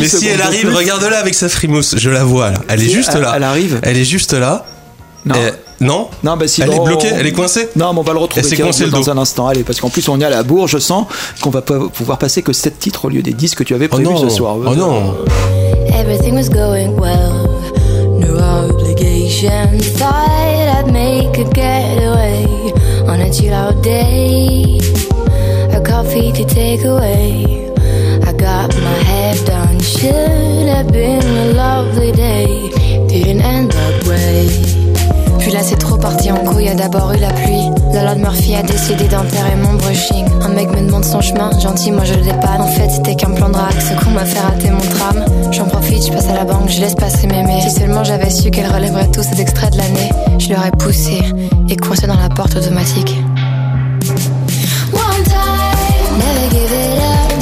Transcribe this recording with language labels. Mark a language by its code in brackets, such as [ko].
[fr] Mais si elle arrive, regarde-la avec sa frimousse, je la vois là. Elle est juste là. Elle arrive. Elle est juste là. Non. Non, non, bah sinon, elle est bloquée, elle est coincée. Non, mais on va le retrouver. Elle s'est coincée le dos dans un instant. Allez, parce qu'en plus on est à la bourre. Je sens qu'on va pouvoir passer que 7 titres au lieu des 10 que tu avais prévu ce soir. Oh non. [en] Everything was going well. No obligation. Thought I'd make a getaway on a chill out day. A coffee to take away. I got my head done. Should have been a lovely day. Didn't end that way. [fr] Puis là c'est trop parti en couille, y'a d'abord eu la pluie. La loi de Murphy a décidé d'enterrer mon brushing. Un mec me demande son chemin, gentil, moi je le dépanne. En fait c'était qu'un plan de rack, ce coup m'a fait rater mon tram. J'en profite, je passe à la banque, je laisse passer mémé. Si seulement j'avais su qu'elle relèverait tous ces extraits de l'année. Je l'aurais poussé et coincé dans la porte automatique. [en] One time, never give it up.